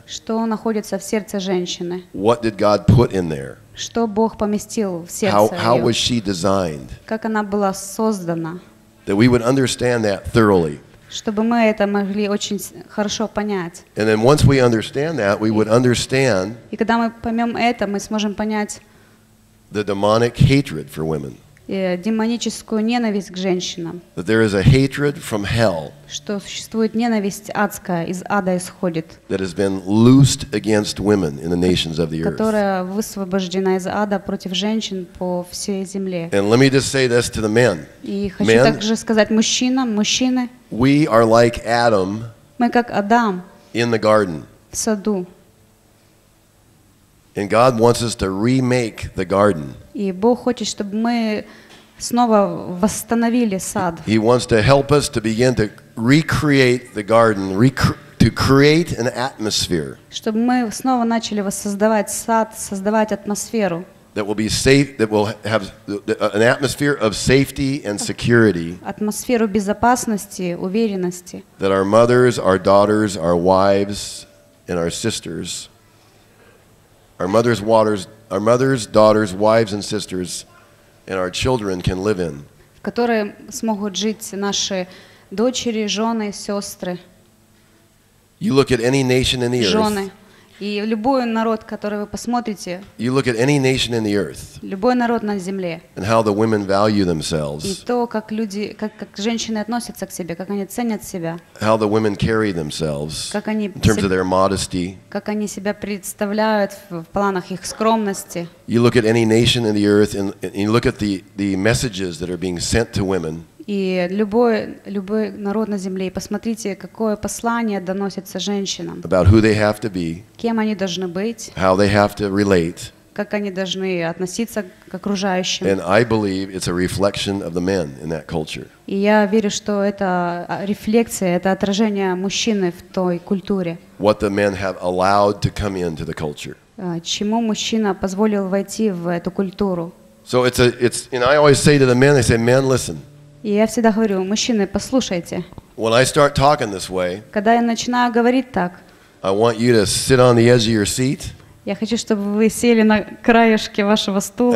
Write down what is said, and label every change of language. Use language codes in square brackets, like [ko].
[ru] Что находится в сердце женщины? [en] What did God put in there? [ru] Что Бог поместил в сердце её? [en] How was she designed? [ru] Как она была создана? [en] That we would understand that thoroughly. [ru] Чтобы мы это могли очень хорошо понять. [en] And then once we understand that, we would understand. [ru] И когда мы поймем это, мы сможем понять [en] the demonic hatred for women. [ru] Демоническую ненависть к женщинам. [en] That there is a hatred from hell. [ru] Что существует ненависть адская, из ада исходит. [en] That has been loosed against women in the nations of the earth. [ru] Которая высвобождена из ада против женщин по всей земле. [en] And let me just say this to the men. [ru] И хочу [en] men, [ru] также сказать мужчинам, мужчины. [en] We are like Adam. [ru] Мы как Адам. [en] In the garden. [ru] В саду. [en] And God wants us to remake the garden. [ru] И Бог хочет, чтобы мы снова восстановили сад. [en] He wants to help us to begin to recreate the garden, to create an atmosphere. [ru] Чтобы мы снова начали воссоздавать сад, создавать атмосферу. [en] That will be safe, that will have an atmosphere of safety and security. [ru] Атмосферу безопасности, уверенности. [en] That our mothers, our daughters, our wives, and our sisters, our mothers, daughters, wives, and sisters, and our children can live in. [ru] В которой смогут жить наши дочери, жены, сестры. [en] You look at any nation in the earth. [ru] Жены. И любой народ, который вы посмотрите, [en] you look at any nation in the earth, [ru] любой народ на земле, [en] and how the women value themselves, [ru] и то, как люди, как женщины относятся к себе, как они ценят себя, [en] how the women carry themselves, [ru] как они [en] in terms of their modesty, [ru] как они себя представляют в планах их скромности. [en] You look at any nation in the earth, and you look at the messages that are being sent to women. [ru] И любой народ на земле, и посмотрите, какое послание доносится женщинам. [en] About who they have to be. [ru] Кем они должны быть. [en] How they have to relate. [ru] Как они должны относиться к окружающим. [en] And I believe it's a reflection of the men in that culture. [ru] И я верю, что это рефлексия, это отражение мужчины в той культуре. [en] What the men have allowed to come into the culture. [ru] Чему мужчина позволил войти в эту культуру. [en] So it's and I always say to the men, I say, men, listen. [ru] И я всегда говорю, мужчины, послушайте. [en] When I start talking this way, [ru] когда я начинаю говорить так, [en] I want you to sit on the edge of your seat, [ru] Я хочу, чтобы вы сели на краешке вашего стула.